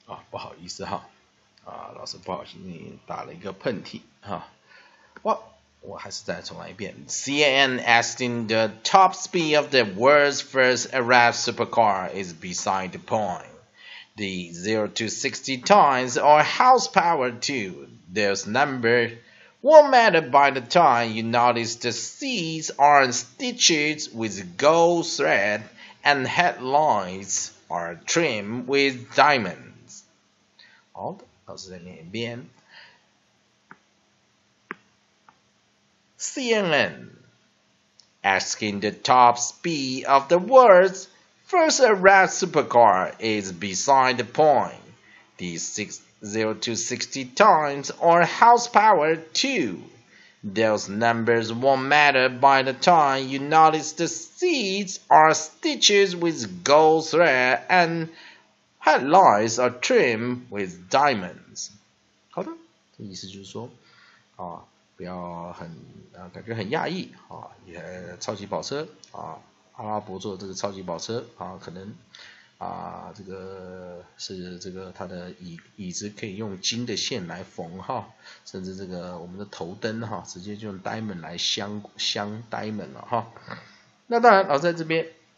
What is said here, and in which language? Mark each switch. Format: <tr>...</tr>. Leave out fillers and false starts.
<zh>不好意思老师不好意思打了一个喷嚏我还是再重来一遍。</zh> <en>CNN asking the top speed of the world's first Arab supercar is beside the point. The 0 to 60 times or horsepower too. This number won't matter by the time you notice the seats are stitched with gold thread and headlights are trimmed with diamond.</en> <zh>好的，老师再念一遍。</zh> <en>CNN asking the top speed of the world's first Arab supercar is beside the point. The 0 to 60 times or horsepower too. Those numbers won't matter by the time you notice the seats are stitched with gold thread and. Headlights are trimmed with diamonds.</en> <zh>好的，这意思就是说，不要很感觉很讶异超级跑车阿拉伯做的这个超级跑车可能这个是这个它的椅子可以用金的线来缝甚至这个我们的头灯直接就用 diamond 来镶 diamond 了那当然，老师在这边。</zh>